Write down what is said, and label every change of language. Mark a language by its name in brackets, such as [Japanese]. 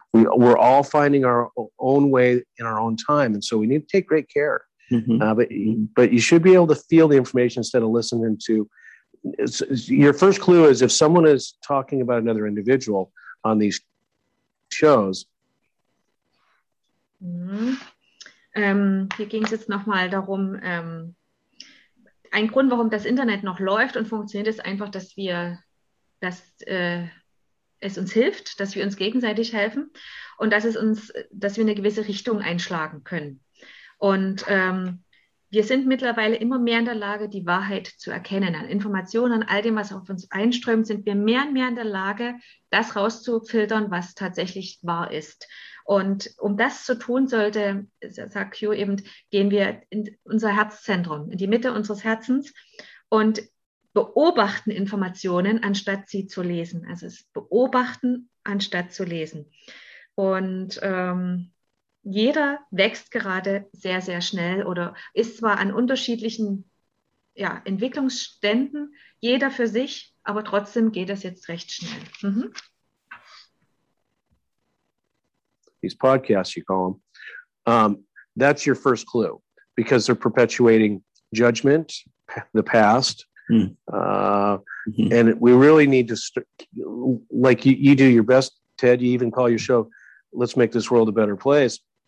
[English] we're all finding our own way in our own time. And so we need to take great care. Mm-hmm. But you should be able to feel the information instead of listening to. Your first clue is if someone is talking about another individual on these shows. Mm-hmm. [German] Hier ging es jetzt nochmal darum, ein Grund, warum das Internet noch läuft und funktioniert, ist einfach, dass wir, dass es uns hilft, dass wir uns gegenseitig helfen und dass es uns, dass wir eine gewisse Richtung einschlagen können. Und wir sind mittlerweile immer mehr in der Lage, die Wahrheit zu erkennen. An Informationen, an all dem, was auf uns einströmt, sind wir mehr und mehr in der Lage, das rauszufiltern, was tatsächlich wahr ist. Und um das zu tun sollte, sagt Q eben, gehen wir in unser Herzzentrum, in die Mitte unseres Herzens und beobachten Informationen, anstatt sie zu lesen. Also es beobachten, anstatt zu lesen. Und jeder wächst gerade sehr, sehr schnell oder ist zwar an unterschiedlichen Entwicklungsständen, jeder für sich, aber trotzdem geht das jetzt recht schnell. Mhm. [English] These podcasts, you call them, that's your first clue, because they're perpetuating judgment, the past. And we really need to, like you do your best, Ted, you even call your show, Let's Make This World a Better Place.